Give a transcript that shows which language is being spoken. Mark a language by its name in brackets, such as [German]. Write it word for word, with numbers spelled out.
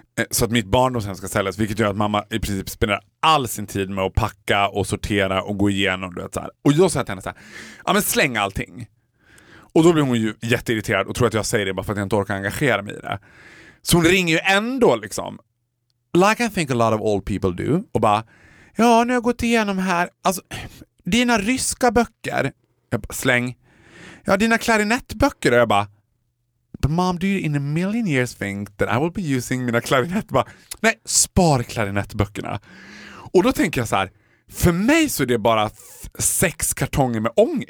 [Swedish] Så att mitt barndom sen ska säljas. Vilket gör att mamma i princip spenderar all sin tid med att packa och sortera och gå igenom. Du vet, så här. Och då sa jag till henne så här. Ja, men släng allting. Och då blir hon ju jätteirriterad och tror att jag säger det bara för att jag inte orkar engagera mig i det. Så hon ringer ju ändå liksom. [English] Like I think a lot of old people do. [Swedish] Och bara, ja, nu har jag gått igenom här. Alltså, dina ryska böcker. Jag bara, släng. Ja, dina klarinettböcker. Och jag bara, [English] but mom, do you in a million years think that I will be using [Swedish] mina klarinett? Bara, nej, spar klarinettböckerna. Och då tänker jag så här, för mig så är det bara sex kartonger med ångest.